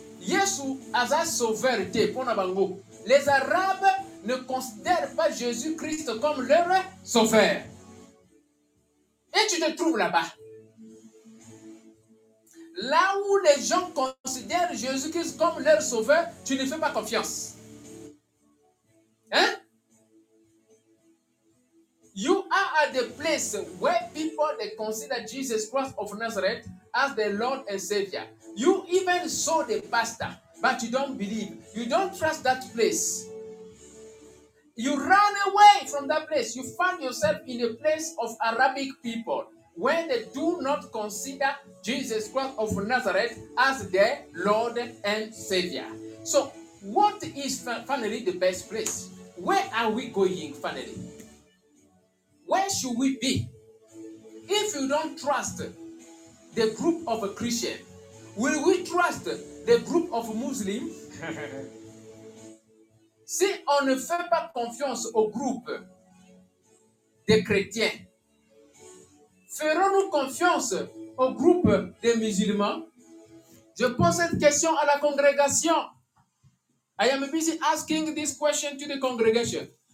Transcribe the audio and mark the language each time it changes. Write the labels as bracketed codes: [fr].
[fr] Yesu a sa sauveurité pour na bango. Les Arabes ne considèrent pas Jésus-Christ comme leur sauveur. Et tu te trouves là-bas. Là où les gens considèrent Jésus-Christ comme leur sauveur, tu ne fais pas confiance. Hein? [en] You are at the place where people they consider Jesus Christ of Nazareth as the Lord and Savior. You even saw the pastor, but you don't believe. You don't trust that place. You run away from that place. You find yourself in a place of Arabic people where they do not consider Jesus Christ of Nazareth as their Lord and Savior. So, what is finally the best place? Where are we going finally? Where should we be? If you don't trust the group of a Christian, will we trust the group of Muslims? [fr] Si on ne fait pas confiance au groupe des chrétiens, ferons-nous confiance au groupe des musulmans? Je pose cette question à la congrégation. [en] I am busy asking this question to the congregation.